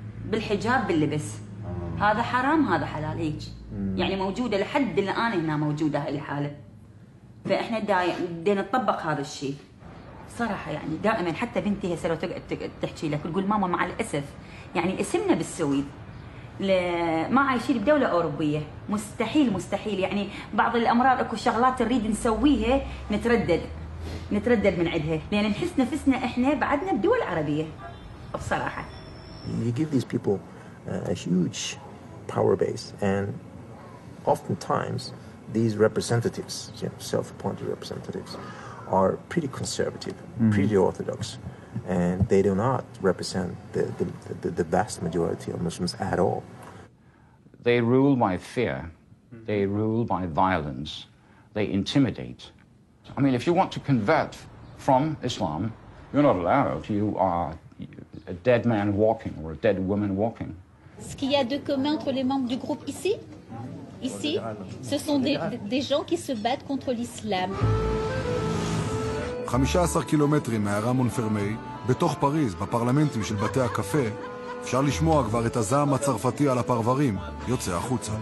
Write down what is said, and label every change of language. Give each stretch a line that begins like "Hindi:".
Arabic: بالحجاب باللبس هذا حرام هذا حلال هيك يعني موجوده لحد الان هنا موجوده هاي الحاله فاحنا بدنا نطبق هذا الشيء صراحه يعني دائما حتى بنتي هسه لو تقعد تحكي لك تقول ماما مع الاسف يعني اسمنا بالسويد ما عايشين بدوله اوروبيه مستحيل مستحيل يعني بعض الامراض اكو شغلات نريد نسويها نتردد من عندها لان نحس نفسنا احنا بعدنا بدول عربيه بصراحه
English: You give these people a huge power base, and oftentimes these representatives, you know, self-appointed representatives, are pretty conservative, mm-hmm. pretty orthodox, and they do not represent the vast majority of Muslims at all. They rule by fear. They rule by violence. They intimidate. I mean, if you want to convert from Islam, you're not allowed. You are... a dead man walking or a dead woman walking.
French: Ce qu'il y a de commun entre les membres du groupe ici, ici, ce sont des gens qui se battent contre l'islam.
English: 15 kilometers
Hebrew: מהערה מונפרמי, בתוך פריז, בפרלמנטים של בתי הקפה, אפשר לשמוע כבר את הזעם הצרפתי על הפרברים, יוצא החוצה.